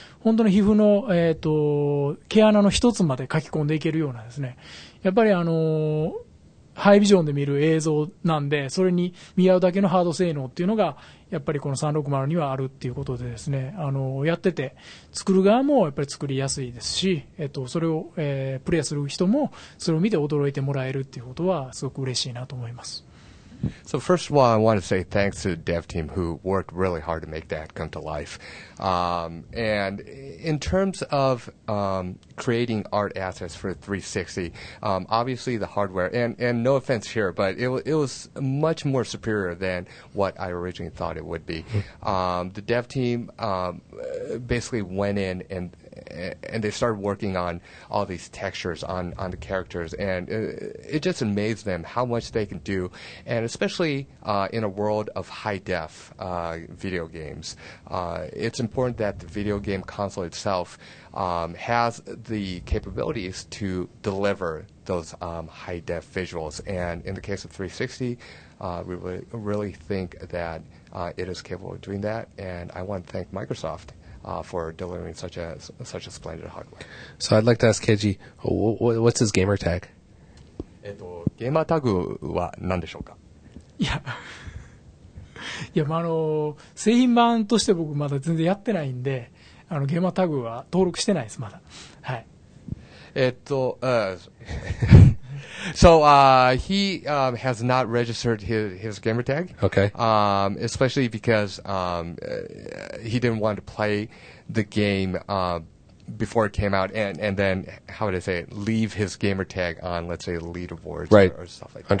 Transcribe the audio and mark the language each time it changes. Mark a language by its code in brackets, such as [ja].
[ja] 本当に皮膚の、毛穴の一つまで書き込んでいけるようなですね、やっぱりハイビジョンで見る映像なんで、それに見合うだけのハード性能っていうのが、やっぱりこの360にはあるっていうことでですね、やってて、作る側もやっぱり作りやすいですし、それを、プレイする人も、それを見て驚いてもらえるっていうことは、すごく嬉しいなと思います。 [en] So first of all, I want to say thanks to the dev team who worked really hard to make that come to life. And in terms of creating art assets for 360, obviously the hardware, and no offense here, but it was much more superior than what I originally thought it would be. The dev team basically went in and they started working on all these textures on the characters, and it just amazed them how much they can do, and especially in a world of high-def video games. It's important that the video game console itself has the capabilities to deliver those high-def visuals, and in the case of 360, we really think that it is capable of doing that, and I want to thank Microsoft for delivering such a splendid hardware. So I'd like to ask Keiji, what's his gamer tag? [ja] ゲーマータグは何でしょうか？いや、いや、まあ、製品版として僕まだ全然やってないんで、ゲーマータグは登録してないです、まだ。はい。 [en] So, he, has not registered his gamer tag. Okay. Especially because, he didn't want to play the game, before it came out and then, how would I say it, leave his gamer tag on, let's say, leaderboards or stuff like that.